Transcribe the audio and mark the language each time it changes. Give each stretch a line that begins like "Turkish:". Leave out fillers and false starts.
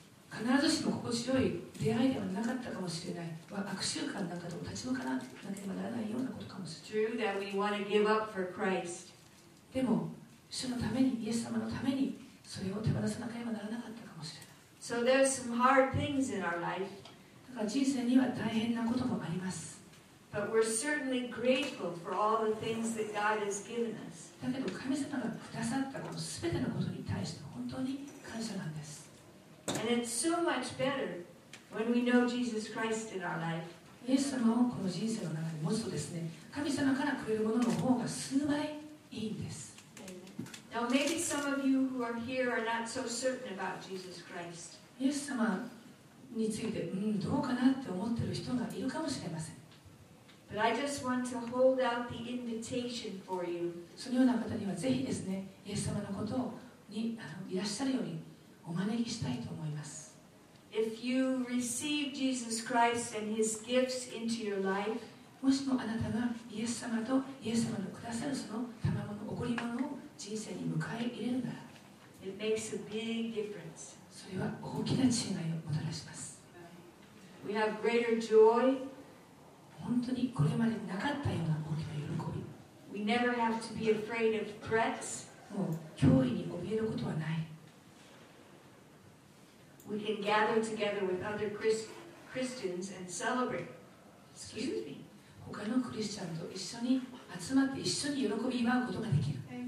Japanese: 必ずしも心地よい出会いではなかったかもしれない。悪習慣なんかと立ち向かなければならないようなことかもしれない。
English: True that we want to give up for Christ.
Japanese: でも主のためにイエス様のためにそれを手放さなければならなかったかもしれない。
English: So there's some hard things in our life.
Japanese: だから人生には大変なこともあります。
English: But we're certainly grateful for all the things that God has given us.
Japanese: だけど神様がくださったこのすべてのことに対して本当に感謝なんです。
English: And it's so much better when we know Jesus Christ in our life.
Japanese: イエス様をこの人生の中に持つとですね、神様からくれるものの方が数倍いいんです。
English: Now maybe some of you who are here are not so certain about Jesus Christ.
Japanese: イエス様についてどうかなって思ってる人がいるかもしれません。
English: But I just want to hold out the invitation for you.
Japanese: そのような方にはぜひですね、イエス様のことにいらっしゃるようにお招きしたいと思います。
English: If you receive Jesus Christ and His gifts into your life,
Japanese: もしもあなたがイエス様とイエス様のくださるその賜物の贈り物を人生に迎え入れるなら、
English: it makes a big difference.
Japanese: それは大きな違いをもたらします。
English: We have greater joy.
Japanese: 本当にこれまでなかったような大きな喜び。
English: We never have to be afraid of threats.
Japanese: もう脅威に怯えることはない。
English: We can gather together with other Christians and celebrate. Excuse me.
Japanese: 他のクリスチャンと一緒に集まって一緒に喜び祝うことができる。